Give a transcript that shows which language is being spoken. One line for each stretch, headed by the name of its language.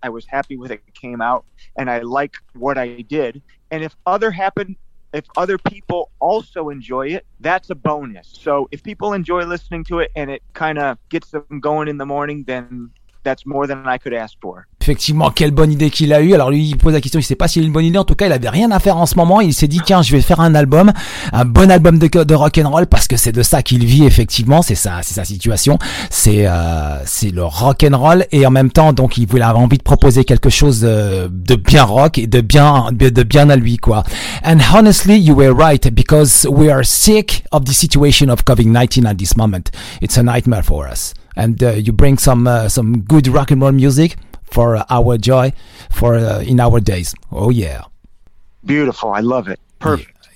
English: I was happy with it came out, and I like what I did. And if other people also enjoy it, that's a bonus. So if people enjoy listening to it and it kind of gets them going in the morning, then that's more than I could ask for.
French: Effectivement, quelle bonne idée qu'il a eue. Alors lui, il pose la question, il ne sait pas s'il a une bonne idée. En tout cas, il n'avait rien à faire en ce moment. Il s'est dit, tiens, je vais faire un bon album de rock'n'roll, parce que c'est de ça qu'il vit, effectivement. C'est sa situation. C'est le rock'n'roll. Et en même temps, donc, il avait envie de proposer quelque chose de bien rock et de bien à lui, quoi.
English: And honestly, you were right, because we are sick of the situation of COVID-19 at this moment. It's a nightmare for us. And you bring some good rock and roll music for our joy, for in our days. Oh yeah, beautiful. I love it. Perfect. Yeah.